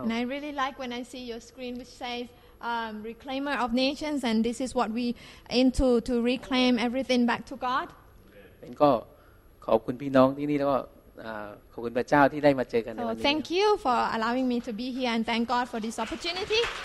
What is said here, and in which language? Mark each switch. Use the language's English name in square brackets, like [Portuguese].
[English] And I really like when I see your screen which says reclaimer of nations and this is what we aim to reclaim everything back to God [Thai] เป็นก็ขอบคุณพี่น้องที่นี่แล้วก็ขอบคุณพระเจ้าที่ได้มาเจอกันในวันนี้ [English] Thank you for allowing me to be here and thank God for this opportunity